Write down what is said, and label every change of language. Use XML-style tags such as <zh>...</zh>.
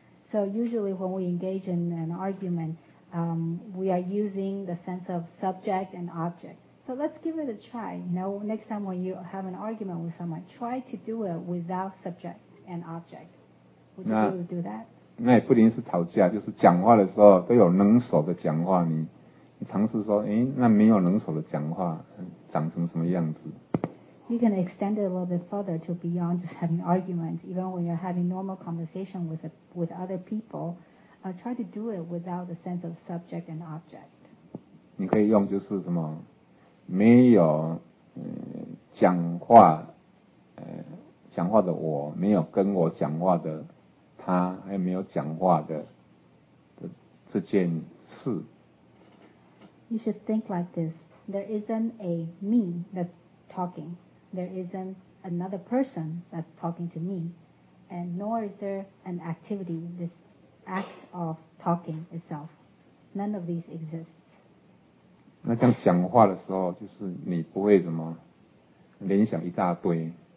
<en>So usually when we engage in an argument, we are using the sense of subject and object. So let's give it a try. You know, next time when you have an argument with someone, try to do it without subject and object. Would you be able to do that?</en> <zh>那也不仅是吵架，就是讲话的时候都有能手的讲话。你尝试说，哎，那没有能手的讲话，长成什么样子</zh> <en>？You can extend it a little bit further to beyond just having arguments. Even when you're having normal conversation with other people, try to do it without the sense of subject and object.</en> <zh>你可以用就是什么，没有讲话，讲话的我，没有跟我讲话的。他还没有讲话 的这件事。</zh> <en>You should think like this. There isn't a me that's talking. There isn't another person that's talking to me. And nor is there an activity, this act of talking itself. None of these exist.</en> <zh>那这样讲话的时候，就是你不会怎么联想一大堆。</zh>